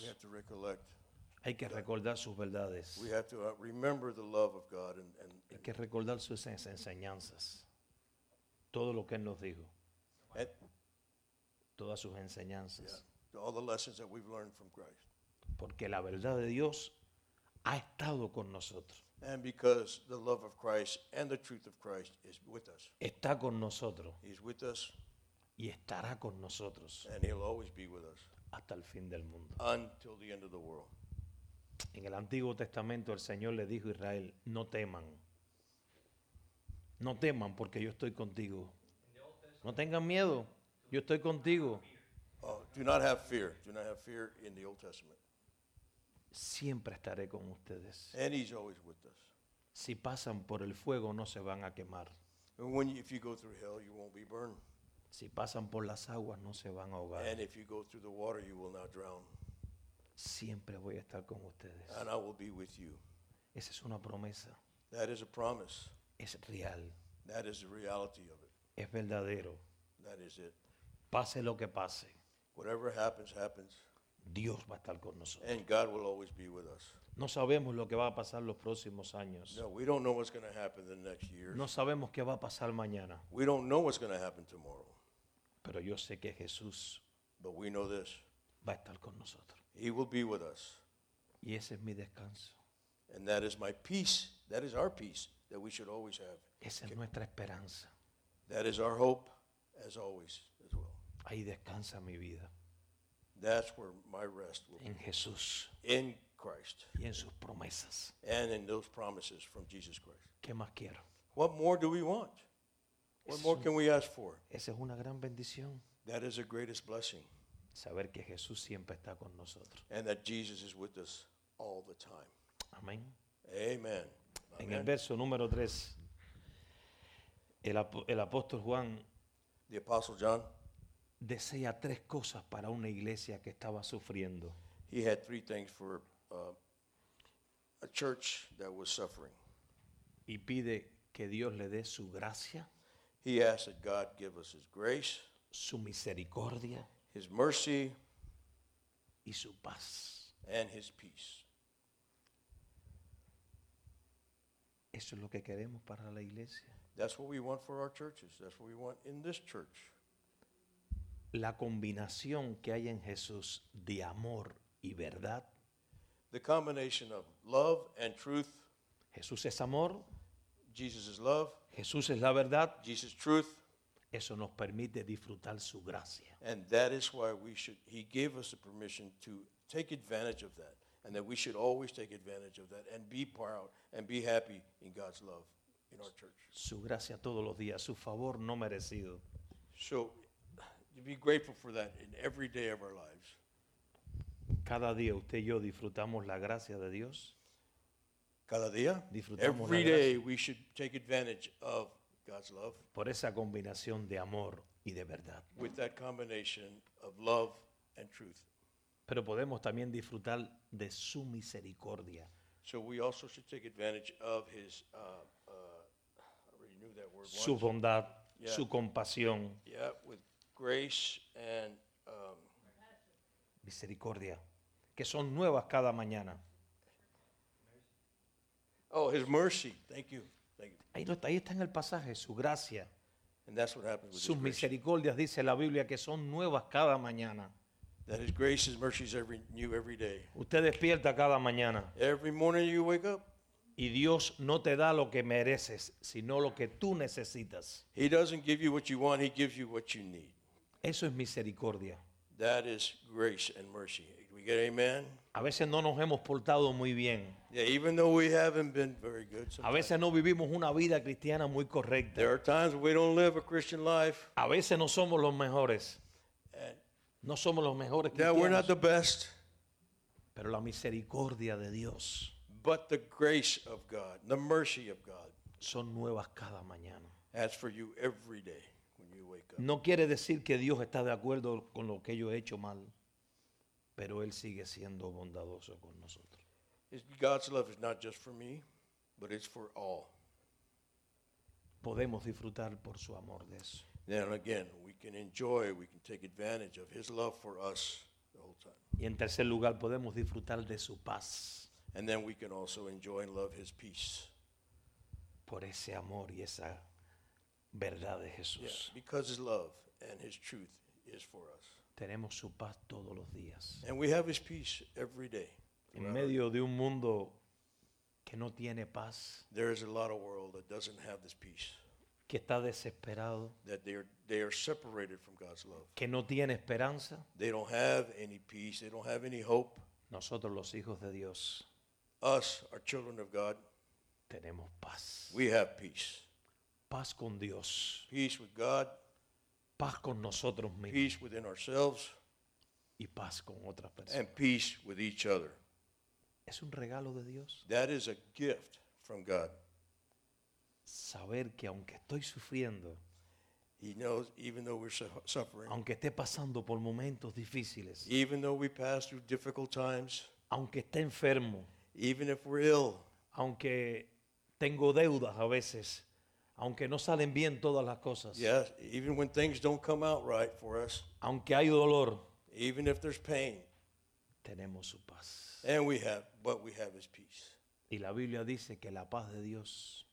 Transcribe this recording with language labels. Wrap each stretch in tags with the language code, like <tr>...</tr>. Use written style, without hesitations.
<en>We have to recollect.</en> <es>Hay que recordar sus verdades.</es> <en>We have to remember the love of God and</en> <es>hay que recordar sus enseñanzas. Todo lo que él nos dijo. Todas sus enseñanzas.</es> <en>Yeah, all the lessons that we've learned from Christ.</en> <es>Porque la verdad de Dios ha estado con nosotros.</es> <en>And because the love of Christ and the truth of Christ is with us.</en> <es>Está con nosotros.</es> <en>He's with us.</en> <es>Y estará con nosotros.</es> <en>And he'll always be with us.</en> <es>Hasta el fin del mundo.</es> <en>Until the end of the world.</en> <es>En el Antiguo Testamento el Señor le dijo a Israel, no teman. No teman porque yo estoy contigo. No tengan miedo. Yo estoy contigo.</es> <en>Oh, do not have fear. Do not have fear in the Old Testament.</en> <es>Siempre estaré con ustedes.</es> <en>And he's always with us.</en> <es>Si pasan por el fuego, no se van a quemar.</es> <en>When you, if you go through hell, you won't be burned.</en> <es>Si pasan por las aguas, no se van a ahogar.</es> <en>And if you go through the water, you will not drown.</en> <es>Siempre voy a estar con ustedes.</es> <en>And I will be with you.</en> <es>Esa es una promesa.</es> <en>That is a promise.</en> <es>Es real.</es> <en>That is the reality of it.</en> <es>Es verdadero.</es> <en>That is it.</en> <es>Pase lo que pase.</es> <en>Whatever happens, happens.</en> <es>Dios va a estar con nosotros.</es> <en>And God will always be with us.</en> <es>No sabemos lo que va a pasar los próximos años.</es> <en>No, we don't know what's going to happen the next year.</en> <es>No sabemos qué va a pasar mañana.</es> <en>We don't know what's going to happen tomorrow.</en> <es>Pero yo sé que Jesús,</es> <en>but we know this,</en> <es>va a estar con nosotros.</es> <en>He will be with us.</en> <es>Y ese es mi descanso.</es> <en>And that is my peace. That is our peace that we should always have.</en> <es>Esa es nuestra esperanza.</es> <en>That is our hope, as always, as well.</en> <es>Ahí descansa mi vida.</es> <en>That's where my rest will</en> <es>en</es> <en>be.</en> <es>Jesús.</es> <en>In Christ.</en> <es>Y en sus promesas.</es> <en>And in those promises from Jesus Christ.</en> <es>¿Qué más quiero?</es> <en>What more do we want? What more can we ask for?</en> <es>Esa es una gran bendición.</es> <en>That is the greatest blessing.</en> <es>Saber que Jesús siempre está con nosotros.</es> <en>And that Jesus is with us all the time.</en> <es>Amén.</es> <en>Amen. Amen.</en> <es>En el verso número 3, el apóstol Juan,</es> <en>the apostle John,</en> <es>desea tres cosas para una iglesia que estaba sufriendo.</es> <en>He had three things for a church that was suffering.</en> <es>Y pide que Dios le dé su gracia.</es> <en>He asks that God give us his grace,</en> <es>su misericordia,</es> <en>his mercy,</en> <es>y su paz,</es> <en>and his peace.</en> <es>Eso es lo que queremos para la iglesia.</es> <en>That's what we want for our churches. That's what we want in this church.</en> <es>La combinación que hay en Jesús de amor y verdad.</es> <en>The combination of love and truth.</en> <es>Jesús es amor.</es> <en>Jesus is love.</en> <es>Jesús es la verdad.</es> <en>Jesus is truth.</en> <es>Eso nos permite disfrutar su gracia.</es> <en>And that is why we should, he gave us the permission to take advantage of that. And that we should always take advantage of that and be proud and be happy in God's love in our church.</en> <es>Su gracia todos los días, su favor no merecido.</es> <en>So, to be grateful for that in every day of our lives.</en> <es>Cada día usted y yo disfrutamos la gracia de Dios. Cada día, disfrutamos</es> <en>every day we should take advantage of God's love.</en> <es>Por esa combinación de amor y de verdad.</es> <en>With that combination of love and truth.</en> <es>Pero podemos también disfrutar de su misericordia.</es> <en>So we also should take advantage of his, I already knew that word once.</en> <es>Su bondad, yeah. Su compasión.</es> <en>Yeah, with grace and</en> <es>misericordia, que son nuevas cada mañana.</es> <en>Oh, his mercy. Thank you.</en> <es>Ahí no está, ahí está en el pasaje, su gracia.</es> <en>And that's what happens with</en> <es>sus misericordias, dice la Biblia, que son nuevas cada mañana.</es> <en>That his grace, his mercy is every, new every day.</en> <es>Usted despierta cada mañana.</es> <en>Every morning you wake up.</en> <es>Y Dios no te da lo que mereces, sino lo que tú necesitas.</es> <en>He doesn't give you what you want, he gives you what you need.</en> <es>Eso es misericordia.</es> <en>That is grace and mercy. We get amen.</en> <es>A veces no nos hemos portado muy bien.</es> <en>Yeah, even though we haven't been very good sometimes.</en> <es>A veces no vivimos una vida cristiana muy correcta.</es> <en>There are times we don't live a Christian life.</en> <es>A veces no somos los mejores. No somos los mejores cristianos.</es> <en>Yeah, we're not the best.</en> <es>Pero la misericordia de Dios.</es> <en>But the grace of God, the mercy of God.</en> <es>Son nuevas cada mañana.</es> <en>As for you every day when you wake up.</en> <es>No quiere decir que Dios está de acuerdo con lo que yo he hecho mal. Pero él sigue siendo bondadoso con nosotros.</es> <en>God's love is not just for me, but it's for all.</en> <es>Podemos disfrutar por su amor de eso.</es> <en>Then again, we can enjoy, we can take advantage of his love for us the whole time.</en> <es>Y en tercer lugar, podemos disfrutar de su paz.</es> <en>And then we can also enjoy and love his peace.</en> <es>Por ese amor y esa verdad de Jesús.</es> <en>Yeah, because his love and his truth is for us.</en> <es>Tenemos su paz todos los días.</es> <en>And we have his peace every day.</en> <es>En medio de un mundo que no tiene paz.</es> <en>There is a lot of world that doesn't have this peace.</en> <es>Que está desesperado.</es> <en>That they are separated from God's love.</en> <es>Que no tiene esperanza.</es> <en>They don't have any peace. They don't have any hope.</en> <es>Nosotros los hijos de Dios.</es> <en>Us, our children of God.</en> <es>Tenemos paz.</es> <en>We have peace.</en> <es>Paz con Dios.</es> <en>Peace with God.</en> <es>Paz con nosotros mismos.</es> <en>Peace within ourselves.</en> <es>Y paz con otras personas.</es> <en>And peace with each other.</en> <es>Es un regalo de Dios.</es> <en>That is a gift from God.</en> <es>saber que aunque estoy sufriendo,</es> <en>He knows, even though we're suffering,</en> <es>aunque esté pasando por momentos difíciles,</es> <en>even though we pass through difficult times,</en> <es>aunque esté enfermo,</es> <en>even if we're ill,</en> <es>aunque tengo deudas a veces, aunque no salen bien todas las cosas,</es> <en>yes, even when things don't come out right for us,</en> <es>aunque hay dolor,</es> <en>even if there's pain,</en> <es>tenemos su paz.</es> <en>And we have, what we have is peace.</en> <es>Y la Biblia dice que la paz de Dios,</es>